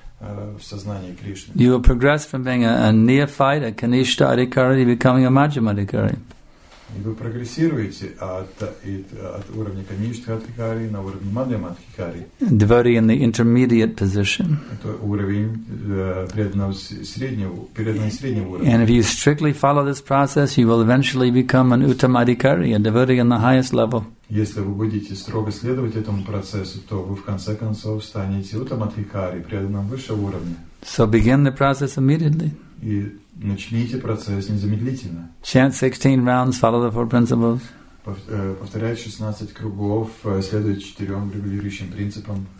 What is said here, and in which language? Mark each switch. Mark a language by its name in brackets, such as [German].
[English] You will progress from being a neophyte, a kanishta adhikari, to becoming a majjhima adhikari. [Russian] И вы прогрессируете от уровня kanishta adhikari на уровень madhyama adhikari. [English] Devotee in the intermediate position. [Russian] Это уровень преданного среднего уровня. [English] And if you strictly follow this process, you will eventually become an uttama adhikari, a devotee in the highest level. [Russian] Если вы будете строго следовать этому процессу, то вы в конце концов станете утамадхикари, преданным высшего уровня. [English] So begin the process immediately. [Russian] И начните процесс незамедлительно. [English] Chant 16 rounds, follow the four principles. [Russian] Повторяйте 16 кругов, следуйте четырем регулирующим принципам.